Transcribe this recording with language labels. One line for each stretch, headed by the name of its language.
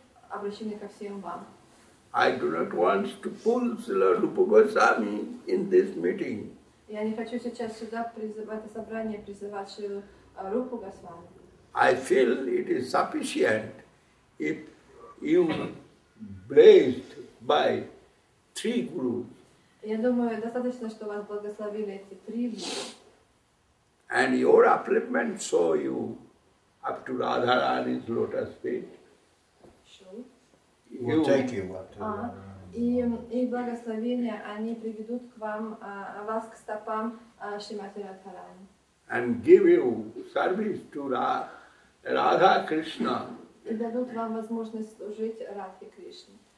English: I do not want to pull Srila Rupa Goswami in this meeting.
Russian: Я не хочу сейчас сюда в это собрание призывать Шрилу Рупу Госвами.
English: I feel it is sufficient if you blessed by three gurus.
Russian: Я думаю, достаточно, что вас благословили эти три гуру.
English: And your appointment saw you up to Radharani's lotus feet. Sure. We'll take you up to Radharani.
Russian: И благословения, они приведут к вам, вас к стопам Шримати Радхарани.
English: And give you service to Radha Krishna.
Russian: И дадут вам возможность служить Радхе Кришне.